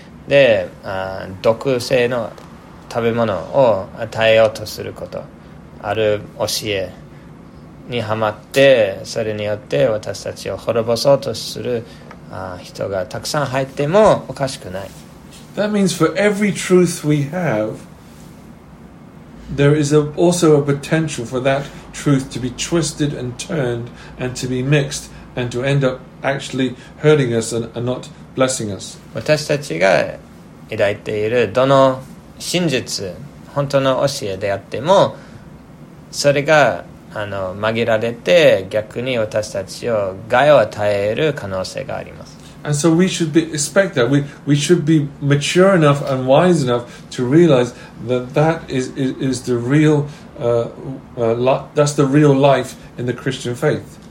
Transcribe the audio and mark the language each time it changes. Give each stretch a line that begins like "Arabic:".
Japanese: で、毒性の食べ物を与えようとすること、ある教えにはまってそれによって私たちを滅ぼそうとする人がたくさん入ってもおかしくない。
English: That means for every truth we have, there is also a potential for that truth to be twisted and turned and to be mixed and to end upActually hurting us and not blessing us.
Japanese: 私たちが抱いているどの真実、本当の教えであっても、それが紛られて逆に私たちを害を与える可能性があります。
English: And so we should be expect that we should be mature enough and wise enough to realize that is the real that's the real life in the Christian faith.